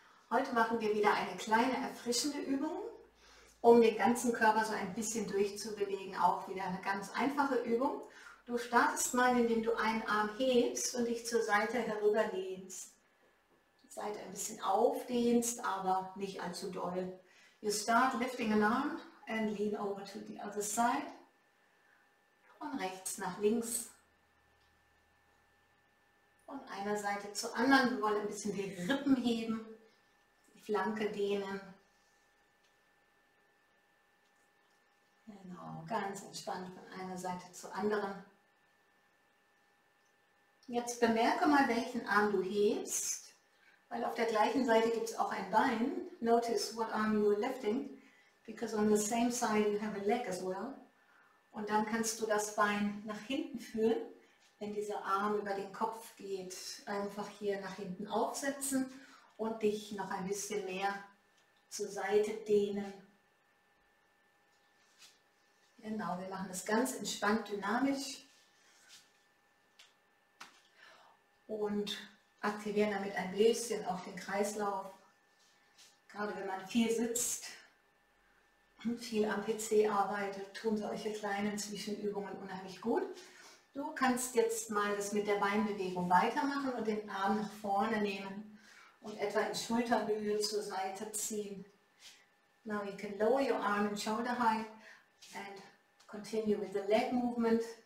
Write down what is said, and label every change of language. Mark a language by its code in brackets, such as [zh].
[de] Heute machen wir wieder eine kleine erfrischende Übung, um den ganzen Körper so ein bisschen durchzubewegen. Auch wieder eine ganz einfache Übung. Du startest mal, indem du einen Arm hebst und dich zur Seite herüberlehnst. Die Seite ein bisschen aufdehnst, aber nicht allzu doll. [en] You start lifting an arm and lean over to the other side. [de] Von rechts nach links. Von einer Seite zur anderen. Wir wollen ein bisschen die Rippen heben. Flanke dehnen. Genau, ganz entspannt von einer Seite zur anderen. Jetzt bemerke mal, welchen Arm du hebst, weil auf der gleichen Seite gibt es auch ein Bein. [en] Notice what arm you're lifting, because on the same side you have a leg as well. [de] Und dann kannst du das Bein nach hinten führen, wenn dieser Arm über den Kopf geht. Einfach hier nach hinten aufsetzen. Und dich noch ein bisschen mehr zur Seite dehnen. Genau, wir machen das ganz entspannt, dynamisch. Und aktivieren damit ein bisschen auch den Kreislauf. Gerade wenn man viel sitzt und viel am PC arbeitet, tun solche kleinen Zwischenübungen unheimlich gut. Du kannst jetzt mal das mit der Beinbewegung weitermachen und den Arm nach vorne nehmen. Und etwa in Schulterhöhe zur Seite ziehen. [en] Now you can lower your arm in shoulder height and continue with the leg movement.